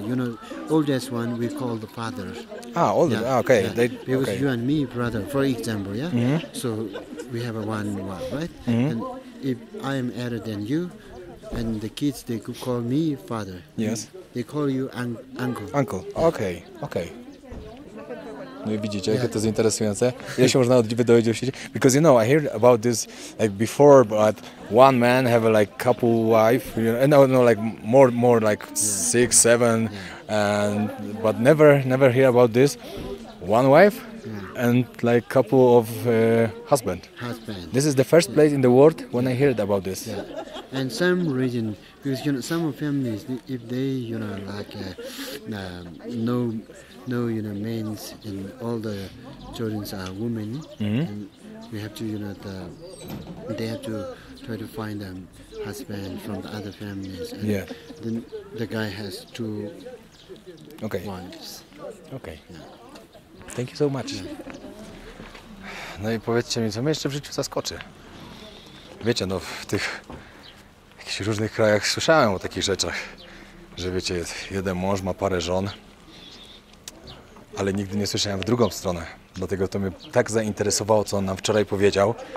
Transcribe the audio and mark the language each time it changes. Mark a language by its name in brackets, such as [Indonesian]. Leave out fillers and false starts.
[English] You know, oldest one we call the father. Ah, oldest, yeah. Okay. Yeah. Because you and me, brother, for example, yeah? Mm-hmm. So we have one wife, right? Mm-hmm. And if I am older than you, and the kids, they could call me father. Yes. They call you uncle. Uncle, okay, okay. [Polish] No i widzicie, jakie to jest interesujące. Ja się można dowiedzieć o świecie. [English] Because you know, I heard about this like before, but one man have a like couple wife, you know, no, like more like 6, 7, and but never hear about this. One wife and like couple of husband. Husband. This is the first place in the world when I heard about this. Yeah. And some region, because you know, some families, if they, you know, like no, you know, men and all the children are women. Mm-hmm. And we have to, you know, they have to try to find a husband from the other families. And then the guy has 2 wives. Okay. Yeah. Thank you so much. Yeah. [Polish] No i powiedzcie mi, co mnie jeszcze w życiu zaskoczy. Wiecie, no w tych jakichś różnych krajach słyszałem o takich rzeczach, że wiecie, jeden mąż ma parę żon. Ale nigdy nie słyszałem w drugą stronę. Dlatego to mnie tak zainteresowało, co on nam wczoraj powiedział.